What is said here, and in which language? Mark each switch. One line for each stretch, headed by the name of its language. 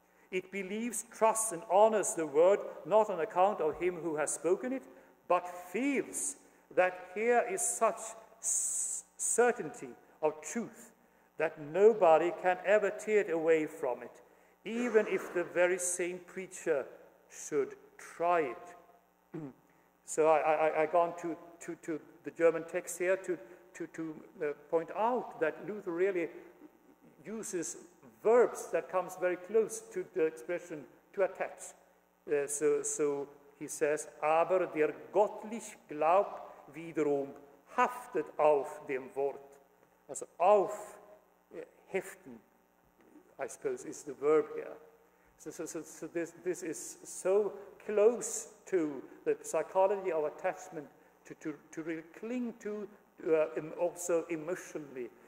English: It believes, trusts, and honors the word, not on account of him who has spoken it, but feels that here is such certainty of truth that nobody can ever tear it away from it, even if the very same preacher should try it. So I gone to the German text here to point out that Luther really uses verbs that comes very close to the expression to attach. So he says,
German: aber der gottliche Glaub wiederum haftet auf dem Wort.
English: Also auf heften, I suppose, is the verb here. So this is so close to the psychology of attachment to really cling to, also emotionally.